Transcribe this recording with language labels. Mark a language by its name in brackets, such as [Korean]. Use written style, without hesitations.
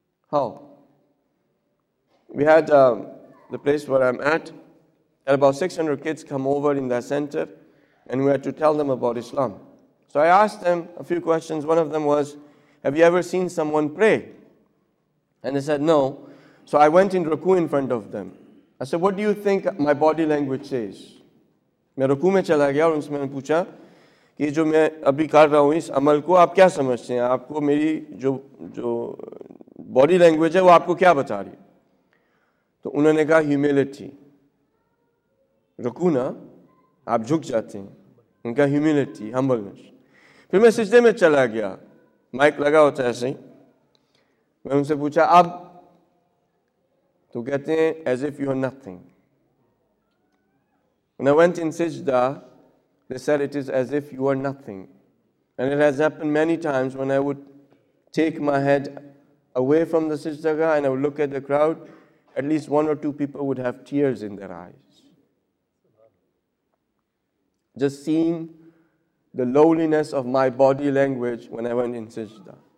[English] How? We had the place where I'm at, had about 600 kids come over in that center, and we had to tell them about Islam. So I asked them a few questions. One of them was, have you ever seen someone pray? And they said, no. So I went in ruku in front of them. I said, what do you think my body language says? [Urdu] میں رکوع میں چلا گیا اور ان سے میں نے پوچھا کہ جو میں ابھی کر رہا ہوں اس عمل کو آپ کیا سمجھتے ہیں آپ کو میری جو باڈی لینگویج ہے وہ آپ کو کیا بتا رہی تو انہوں نے کہا ہیومیلٹی رکوع نا آپ جھک جاتے ہیں ان کا ہیومیلٹی ہمبلنس پھر میں سجدے میں چلا گیا مائک لگا ہوتا ہے ایسے ہی میں ان سے پوچھا اب تو کہتے ہیں [English] As if you are nothing When I went in sijda, they said, it is as if you are nothing. And it has happened many times when I would take my head away from the sijda and I would look at the crowd, at least one or two people would have tears in their eyes. Just seeing the lowliness of my body language when I went in sijda.